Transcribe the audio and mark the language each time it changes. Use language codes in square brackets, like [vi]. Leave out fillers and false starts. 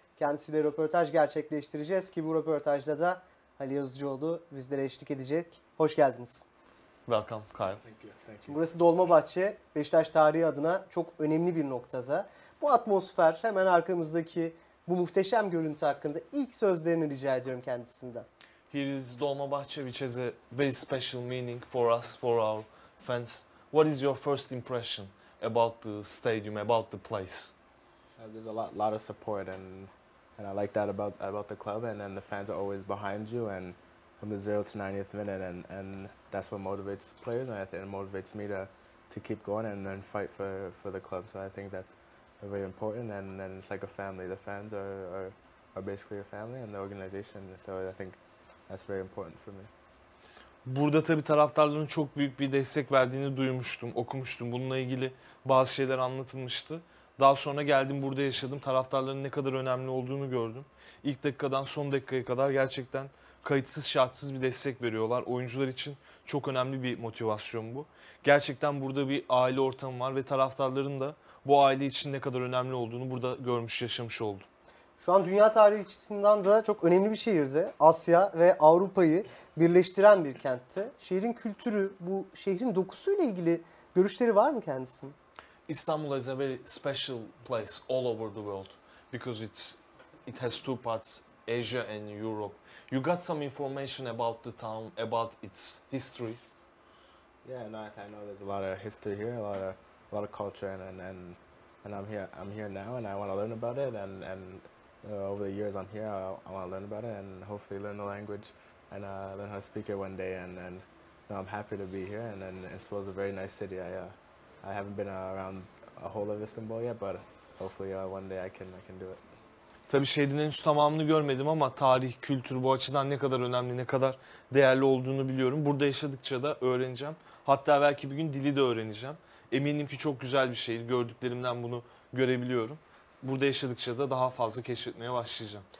[tr] Kendisiyle röportaj gerçekleştireceğiz ki bu röportajda da Ali Yazıcıoğlu bizlere eşlik edecek. Hoş geldiniz. [en] Welcome Kyle. Thank you. [tr] Burası Dolmabahçe, Beşiktaş tarihi adına çok önemli bir noktada. Bu atmosfer, hemen arkamızdaki bu muhteşem görüntü hakkında ilk sözlerini rica ediyorum kendisinden. [en] Here is Dolmabahçe, which has a very special meaning for us, for our fans. What is your first impression about the stadium, about the place? There's a lot of support and I like that about the club, and then the fans are always behind you, and from the 0 to 90th minute, and that's what motivates players, and I think it motivates me to keep going and then fight for the club. So I think that's very important, and it's like a family. The fans are basically a family and the organization, so I think that's very important for me. [tr] Burada tabii taraftarların çok büyük bir destek verdiğini duymuştum, okumuştum. Bununla ilgili bazı şeyler anlatılmıştı. Daha sonra geldim, burada yaşadım. Taraftarların ne kadar önemli olduğunu gördüm. İlk dakikadan son dakikaya kadar gerçekten kayıtsız şartsız bir destek veriyorlar. Oyuncular için çok önemli bir motivasyon bu. Gerçekten burada bir aile ortamı var ve taraftarların da bu aile için ne kadar önemli olduğunu burada görmüş, yaşamış oldum. Şu an dünya tarihi açısından da çok önemli bir şehirde. Asya ve Avrupa'yı birleştiren bir kentte. Şehrin kültürü, bu şehrin dokusuyla ilgili görüşleri var mı kendisinin? [en] Istanbul is a very special place all over the world because it has two parts, Asia and Europe. You got some information about the town, about its history? Yeah, no, I know there's a lot of history here, a lot of culture, and I'm here now, and I want to learn about it, and over the years I'm here, I want to learn about it, and hopefully learn the language, and learn how to speak it one day, and you know, I'm happy to be here, and Istanbul is a very nice city. I haven't been around a whole of Istanbul yet, but hopefully one day I can do it. [tr] Tabii şehrin henüz tamamını görmedim ama tarih, kültür bu açıdan ne kadar önemli, ne kadar değerli olduğunu biliyorum. Burada yaşadıkça da öğreneceğim. Hatta belki bir gün dili de öğreneceğim. Eminim ki çok güzel bir şehir. Gördüklerimden bunu görebiliyorum. Burada yaşadıkça da daha fazla keşfetmeye başlayacağım.